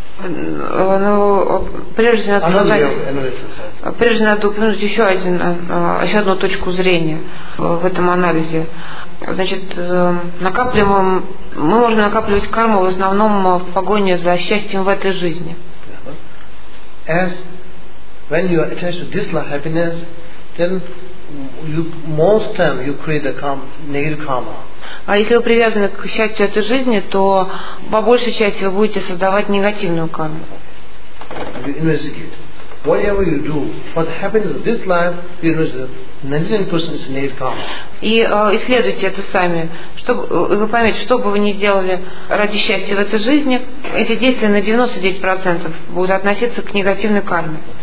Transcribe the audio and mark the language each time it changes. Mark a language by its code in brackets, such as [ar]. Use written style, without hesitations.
[ru] Ну, прежде надо упомянуть еще один, еще одну точку зрения в этом анализе. Значит, накапливаем, мы можем накапливать карму в основном в погоне за счастьем в этой жизни. [en] As when you are attached to this life happiness, then you most time you create a negative karma. [ru] А если вы привязаны к счастью этой жизни, то по большей части вы будете создавать негативную карму. [en] You investigate. Whatever you do, what happens in this life, you investigate. 99% is negative karma. [ru] И исследуйте это сами. Чтобы вы поймете, что бы вы ни делали ради счастья в этой жизни, эти действия на 99% будут относиться к негативной карме.